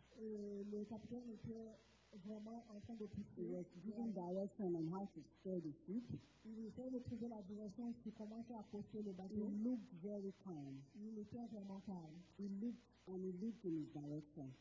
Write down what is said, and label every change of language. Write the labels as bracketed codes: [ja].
[fr] Le capitaine était vraiment en train de pousser. [en] He was giving direction on how to steer the ship. [fr] Il essayait de trouver la direction pour commencer à pousser le bateau. [en] He looked very calm. [fr] Il était vraiment calme. [en] He looked and he looked in his direction.